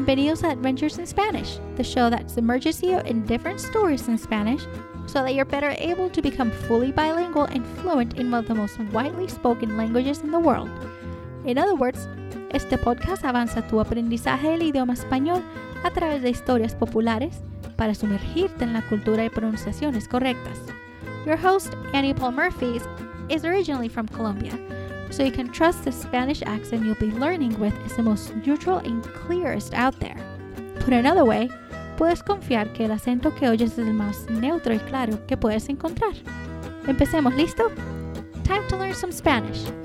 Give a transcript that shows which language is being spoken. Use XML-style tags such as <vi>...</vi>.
<en>Casa Adventures in Spanish, the show that submerges you in different stories in Spanish so that you're better able to become fully bilingual and fluent in one of the most widely spoken languages in the world. In other words,</en> <es>este podcast avanza tu aprendizaje del idioma español a través de historias populares para sumergirte en la cultura y pronunciaciones correctas.</es> <en>Your host, Annie Paul Murphy, is originally from Colombia, so you can trust the Spanish accent you'll be learning with is the most neutral and clearest out there. Put another way,</en> <es>puedes confiar que el acento que oyes es el más neutro y claro que puedes encontrar. Empecemos, ¿listo?</es> <en>Time to learn some Spanish.</en>